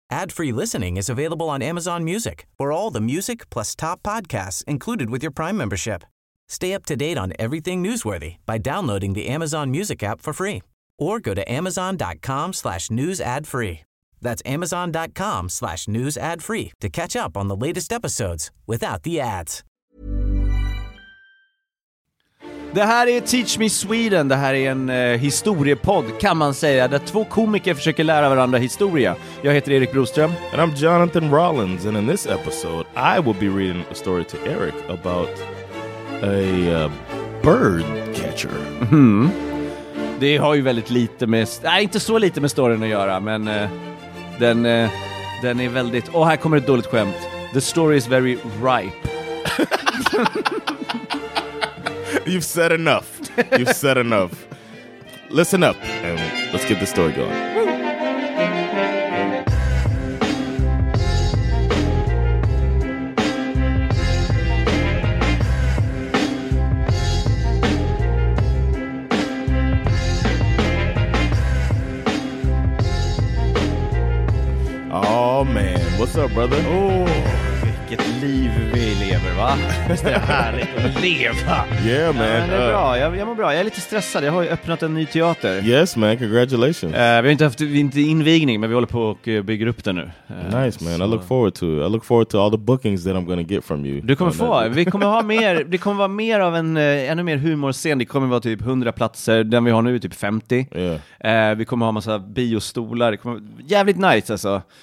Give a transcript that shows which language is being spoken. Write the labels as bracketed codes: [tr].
[en] Ad-free listening is available on Amazon Music for all the music plus top podcasts included with your Prime membership. Stay up to date on everything newsworthy by downloading the Amazon Music app for free or go to amazon.com/news ad free. That's amazon.com/news ad free to catch up on the latest episodes without the ads. [sv] Det här är Teach Me Sweden, det här är en historiepodd kan man säga, där två komiker försöker lära varandra historia. Jag heter Erik Broström. [en] And I'm Jonathan Rollins, and in this episode I will be reading a story to Eric about a bird catcher. Mm. [sv] Det har ju väldigt lite med, nej inte så lite med storyn att göra, men den är väldigt, åh, här kommer ett dåligt skämt. [en] The story is very ripe. You've said enough. You've said enough. Listen up and let's get the story going. Oh man, what's up, brother? [sv] Oh. Vilket liv vi lever, va? Visst är det härligt att leva? [en] Yeah, man. [sv] Ja, men det är bra. Jag mår bra. Jag är lite stressad. Jag har ju öppnat en ny teater. [en] Yes, man. Congratulations. [sv] Vi har inte haft invigning, men vi håller på att bygga upp den nu. [en] Nice, man. Så. I look forward to all the bookings that I'm going to get from you. [sv] Du kommer få. Vi kommer ha mer. Det kommer vara mer av en ännu mer humorscen. Det kommer vara typ 100 platser. Den vi har nu är typ 50. [en] Yeah. [sv] Vi kommer ha massa biostolar. Det kommer jävligt nice, alltså.